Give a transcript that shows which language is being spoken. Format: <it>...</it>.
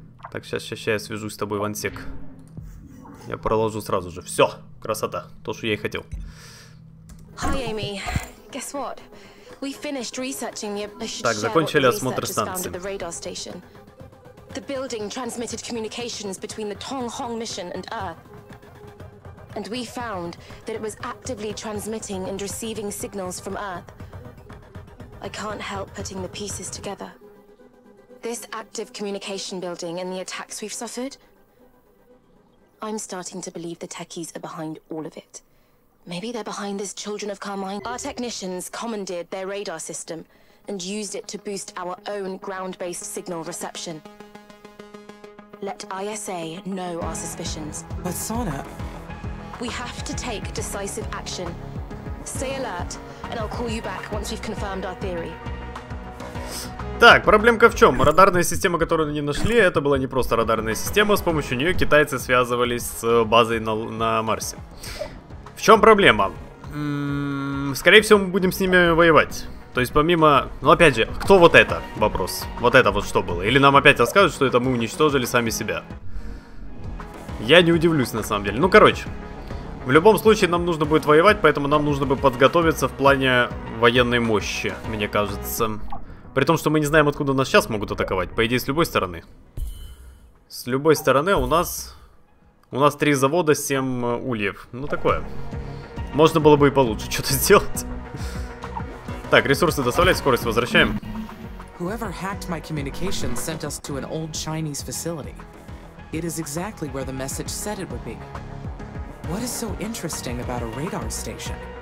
<ru>Так, сейчас я свяжусь с тобой, Вансек. Я проложу сразу же. Все, красота. То, что я и хотел. Так, закончили осмотр станции.</ru> <en>And we found that it was actively transmitting and receiving signals from Earth. I can't help putting the pieces together. This active communication building and the attacks we've suffered? I'm starting to believe the techies are behind all of it. Maybe they're behind this Children of Carmine. Our technicians commandeered their radar system and used it to boost our own ground-based signal reception. Let ISA know our suspicions. But Sana... We have to take decisive action. Stay alert, and I'll call you back once we've confirmed our theory.</en> <ru>Так, проблемка в чем? Радарная система, которую они нашли, это была не просто радарная система, с помощью нее китайцы связывались с базой на Марсе. В чем проблема? Скорее всего, мы будем с ними воевать. То есть помимо... Ну опять же, кто вот это? Вопрос. Вот это вот что было? Или нам опять расскажут, что это мы уничтожили сами себя? Я не удивлюсь на самом деле. Ну короче... В любом случае, нам нужно будет воевать, поэтому нам нужно бы подготовиться в плане военной мощи, мне кажется. При том, что мы не знаем, откуда нас сейчас могут атаковать. По идее, с любой стороны. С любой стороны у нас... У нас 3 завода, 7 ульев. Ну, такое. Можно было бы и получше что-то сделать. Так, ресурсы доставлять, скорость возвращаем.</ru> <en>Whoever hacked my communication sent us to an old Chinese facility. It is exactly where the message said it would be. What is so interesting about a radar station?</en>